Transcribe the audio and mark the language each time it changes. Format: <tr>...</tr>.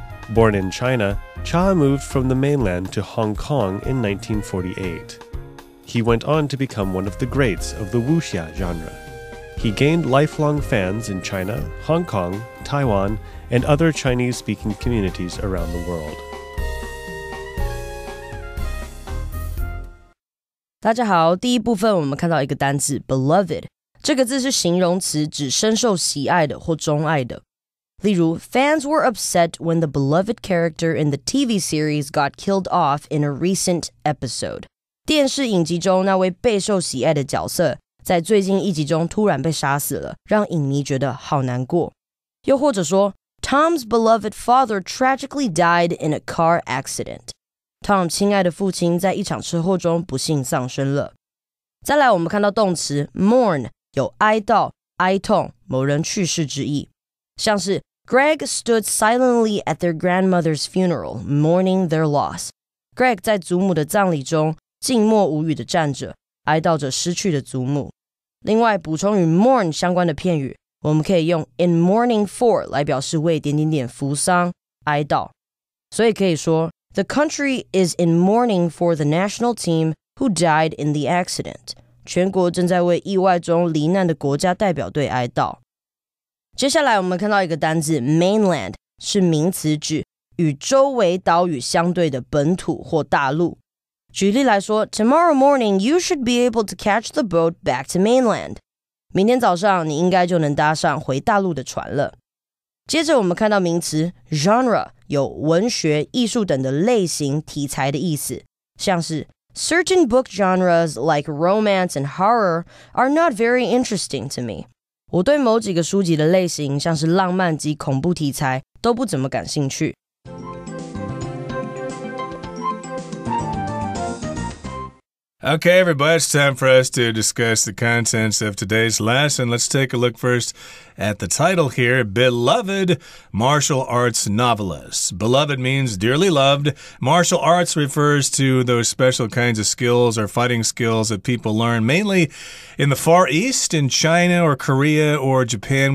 <en>Born in China, Cha moved from the mainland to Hong Kong in 1948. He went on to become one of the greats of the wuxia genre. He gained lifelong fans in China, Hong Kong, Taiwan,and other Chinese-speaking communities around the world.</en> <zh>大家好，第一部分我们看到一个单字 beloved， 这个字是形容词，指深受喜爱的或钟爱的。例如</zh> <en>，fans were upset when the beloved character in the TV series got killed off in a recent episode.</en> <zh>电视影集中那位备受喜爱的角色，在最近一集中突然被杀死了，让影迷觉得好难过。又或者说</zh> <en>Tom's beloved father tragically died in a car accident.</en> <zh>Tom 亲爱的父亲在一场车祸中不幸丧生了。再来我们看到动词 mourn, 有哀悼、哀痛、某人去世之意。像是</zh> <en>Greg stood silently at their grandmother's funeral, mourning their loss.</en> <zh>Greg 在祖母的葬礼中静默无语地站着，哀悼着失去的祖母。另外补充与 mourn 相关的片语。我们可以用</zh> <en>in mourning for</en> <zh>来表示为点点点扶丧、哀悼。所以可以说</zh> <en>The country is in mourning for the national team who died in the accident.</en> <zh>全国正在为意外中罹难的国家代表队哀悼。接下来我们看到一个单字 mainland 是名词指与周围岛屿相对的本土或大陆。举例来说</zh> <en>Tomorrow morning you should be able to catch the boat back to mainland.</en> <zh>明天早上你应该就能搭上回大陆的船了。接着我们看到名词 genre 有文学、艺术等的类型、题材的意思。像是</zh> <en>Certain book genres like romance and horror are not very interesting to me.</en> <zh>我对某几个书籍的类型像是浪漫及恐怖题材都不怎么感兴趣。</zh> <en>Okay, everybody, it's time for us to discuss the contents of today's lesson. Let's take a look first at the title here, Beloved Martial Arts Novelist. Beloved means dearly loved. Martial arts refers to those special kinds of skills or fighting skills that people learn mainly in the Far East, in China or Korea or Japan.</en>